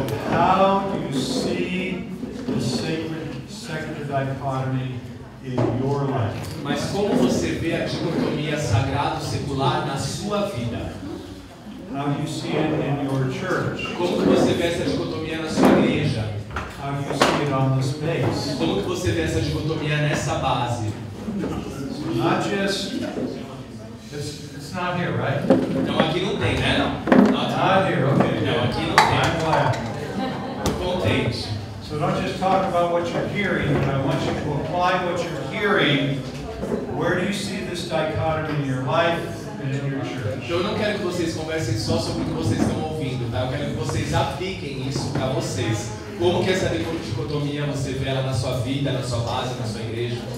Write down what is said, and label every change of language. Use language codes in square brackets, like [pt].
[en] How do you see the sacred, secular dichotomy in your life? [pt] Mas como você vê a dicotomia sagrado-secular na sua vida? [en] How do you see it in your church? [pt] Como que você vê essa dicotomia na sua igreja? [en] How do you see it on this base? [pt] Como que você vê essa dicotomia nessa base? [en] Not just it's not here, right? [pt] Não, aqui não tem, né? [en] Not here, okay. [pt] Não, aqui não tem. [en] I'm glad. [pt] Contente. [en] So don't just talk about what you're hearing, but I want you to apply what you're hearing. Where do you see this dichotomy in your life and in your church? [pt] Eu não quero que vocês conversem só sobre o que vocês estão ouvindo, tá? Eu quero que vocês apliquem isso para vocês. Como que essa dicotomia você vê ela na sua vida, na sua base, na sua igreja?